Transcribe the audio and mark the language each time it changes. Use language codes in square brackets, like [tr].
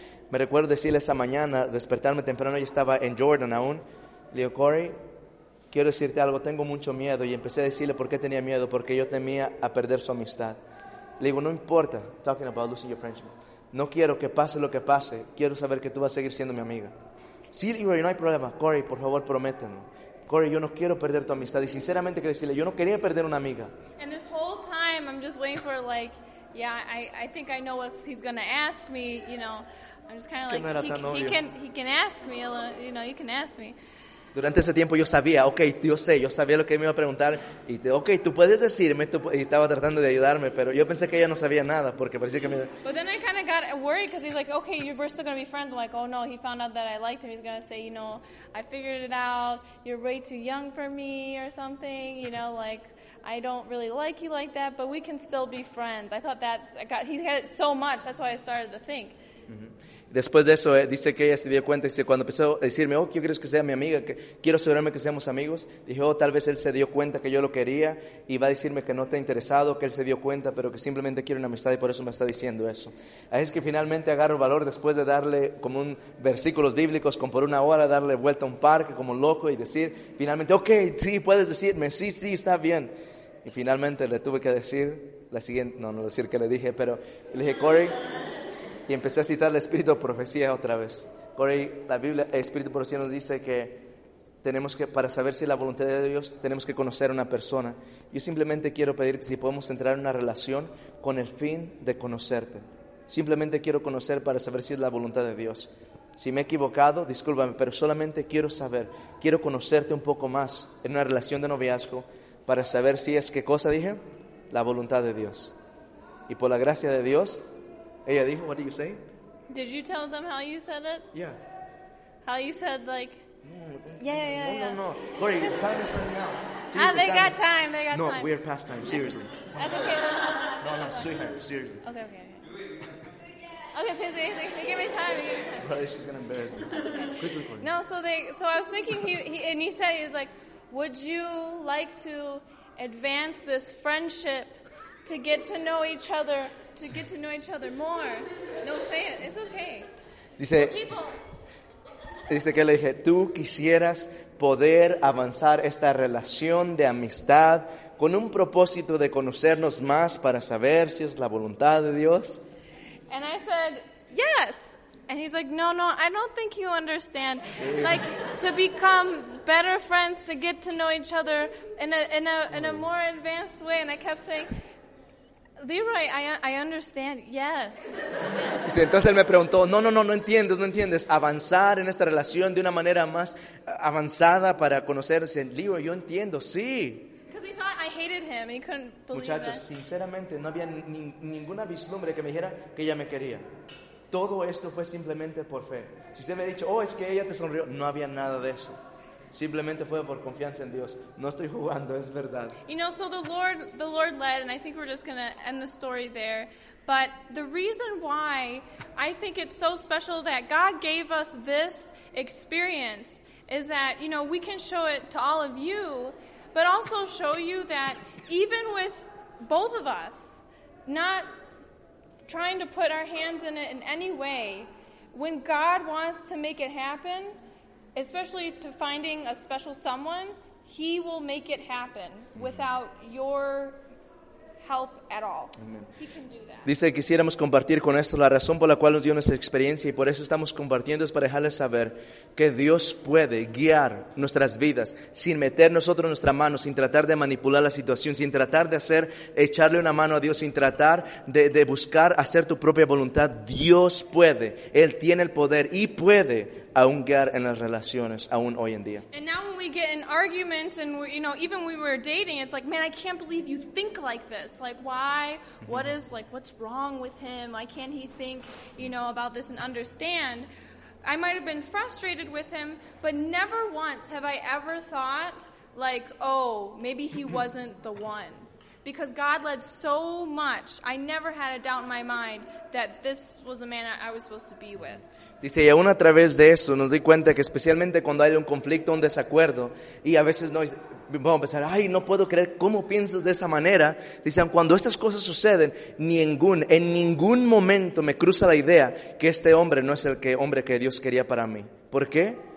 [es] Me recuerdo decirle esa mañana, despertarme temprano, yo estaba en Jordan aún, le digo, Corey, quiero decirte algo, tengo mucho miedo, y empecé a decirle por qué tenía miedo, porque yo temía a perder su amistad. Le digo, no importa, [en] talking about losing your friendship, [es] no quiero que pase lo que pase, quiero saber que tú vas a seguir siendo mi amiga. Sí, Leroy, no hay problema. Corey, por favor, prométeme. Corey, yo no quiero perder tu amistad. Y sinceramente quiero decirle, yo no quería perder una amiga. [en] And this whole time, I'm just waiting for like, yeah, I think I know what he's going to ask me, you know. I'm just kind of like, he can ask me, you know, you can ask me. [es] Durante ese tiempo yo sabía, ok, yo sabía lo que me iba a preguntar. Y te, ok, tú puedes decirme, tú, y estaba tratando de ayudarme, pero yo pensé que ella no sabía nada, porque parecía que me... [en] But then I kind of got worried, because he's like, okay, we're still going to be friends. I'm like, oh no, he found out that I liked him. He's going to say, you know, I figured it out, you're way too young for me, or something, you know, like, I don't really like you like that, but we can still be friends. I thought that's, I got, he had it so much, that's why I started to think. [es] Después de eso, dice que ella se dio cuenta, dice, cuando empezó a decirme, oh, ¿qué quieres que sea mi amiga? Que quiero asegurarme que seamos amigos. Dije, oh, tal vez él se dio cuenta que yo lo quería y va a decirme que no está interesado, que él se dio cuenta, pero que simplemente quiere una amistad y por eso me está diciendo eso. Así es que finalmente agarro valor después de darle como un versículos bíblicos, como por una hora, darle vuelta a un parque como loco y decir, finalmente, ok, sí, puedes decirme, sí, sí, está bien. Y finalmente le tuve que decir la siguiente, no decir que le dije, pero le dije, Corey... Y empecé a citar el Espíritu de profecía otra vez. Corey, la Biblia, el Espíritu de profecía nos dice que tenemos que, para saber si es la voluntad de Dios, tenemos que conocer a una persona. Yo simplemente quiero pedirte si podemos entrar en una relación con el fin de conocerte. Simplemente quiero conocer para saber si es la voluntad de Dios. Si me he equivocado, discúlpame, pero solamente quiero saber, quiero conocerte un poco más en una relación de noviazgo para saber si es, ¿qué cosa dije? La voluntad de Dios. Y por la gracia de Dios... Ella dijo, [en] what did you say? Did you tell them how you said it? Yeah. How you said, like... No. Corey, time is running out. Seriously, ah, they time. Got time, they got no, time. No, we are past time, seriously. That's okay, that's fine. No, no, sweetheart, seriously. Okay. Okay, please, they give me time. Probably she's going to embarrass me. Quickly, Corey. No, so I was thinking, he said, like, would you like to advance this friendship to get to know each other? To get to know each other more. No, say it. It's okay. [es] Dice que le dije, tú quisieras poder avanzar esta relación de amistad con un propósito de conocernos más para saber si es la voluntad de Dios. [en] And I said, yes. And he's like, no, I don't think you understand. Like, to become better friends, to get to know each other in a more advanced way. And I kept saying, Leroy, I understand, yes. [es] Sí, entonces él me preguntó, no entiendes, avanzar en esta relación de una manera más avanzada para conocerse. Leroy, yo entiendo, sí. [en] Because he thought I hated him and he couldn't believe it. [es] Muchachos, sinceramente, no había ninguna vislumbre que me dijera que ella me quería. Todo esto fue simplemente por fe. Si usted me ha dicho, oh, es que ella te sonrió, no había nada de eso. Simplemente fue por confianza en Dios. No estoy jugando, es verdad. [en] You know, so the Lord led, and I think we're just going to end the story there. But the reason why I think it's so special that God gave us this experience is that, you know, we can show it to all of you, but also show you that even with both of us not trying to put our hands in it in any way, when God wants to make it happen, especially to finding a special someone, He will make it happen without your help at all. Amen. He can do that. [es] Dice, quisiéramos compartir con esto la razón por la cual nos dio nuestra experiencia y por eso estamos compartiendo, es para dejarles saber que Dios puede guiar nuestras vidas sin meter nosotros nuestra mano, sin tratar de manipular la situación, sin tratar de hacer, echarle una mano a Dios, sin tratar de buscar hacer tu propia voluntad. Dios puede, Él tiene el poder y puede aún guiar en las relaciones, aún hoy en día. [en] And now when we get in arguments and we, you know, even when we were dating, it's like, man, I can't believe you think like this. Like, why? What is, like, what's wrong with him? Why can't he think, you know, about this and understand? I might have been frustrated with him, but never once have I ever thought, like, oh, maybe he wasn't the one. Because God led so much, I never had a doubt in my mind that this was the man I was supposed to be with. [es] Dice, y aún a través de eso nos di cuenta que especialmente cuando hay un conflicto, un desacuerdo, y a veces no, vamos a pensar, ay, no puedo creer cómo piensas de esa manera. Dice, cuando estas cosas suceden, en ningún momento me cruza la idea que este hombre no es el hombre que Dios quería para mí. ¿Por qué?